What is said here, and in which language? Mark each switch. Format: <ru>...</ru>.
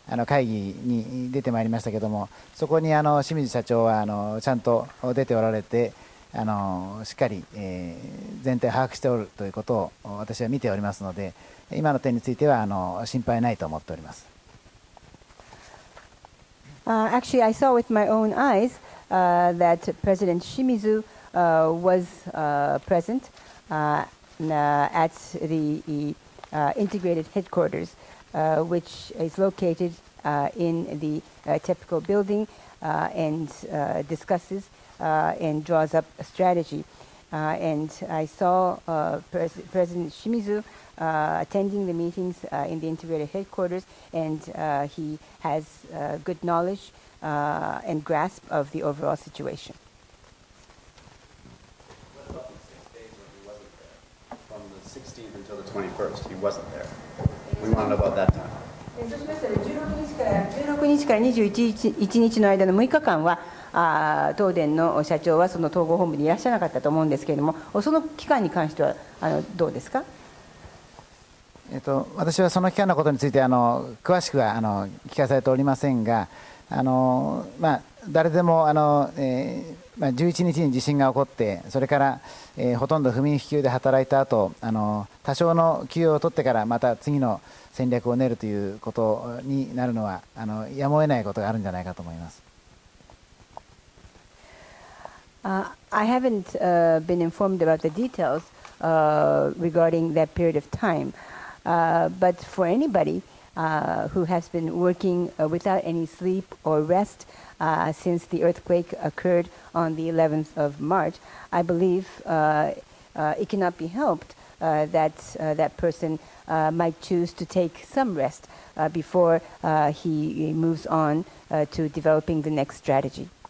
<ja>会議に出てまいりましたけども、そこに清水社長はちゃんと出ておられて、しっかり全体把握しておるということを私は見ておりますので、今の点については心配ないと思っております。</ja> <en>Actually, I saw with my own eyes that President Shimizu was present at the integrated headquarters, which is located in the TEPCO building, and discusses and draws up a strategy. And I saw President Shimizu attending the meetings in the integrated headquarters, and he has good knowledge and grasp of the overall situation. What about the 6 days when he wasn't there? From the 16th until the 21st, he wasn't there. We want to know about that time.</en> <ja>そうしましたら16日から21日の間の6日間は、東電の社長はその統合本部にいらっしゃらなかったと思うんですけれども、その期間に関してはどうですか。私はその期間のことについて詳しくは聞かされておりませんが、誰でも11日に地震が起こって、それから、ほとんど不眠不休で働いた後、多少の休養を取ってからまた次の戦略を練るということになるのはやむを得ないことがあるんじゃないかと思います。</ja> <en>I haven't been informed about the details regarding that period of time, but for anybody who has been working without any sleep or rest since the earthquake occurred on the 11th of March, I believe it cannot be helped that person might choose to take some rest before he moves on to developing the next strategy.</en>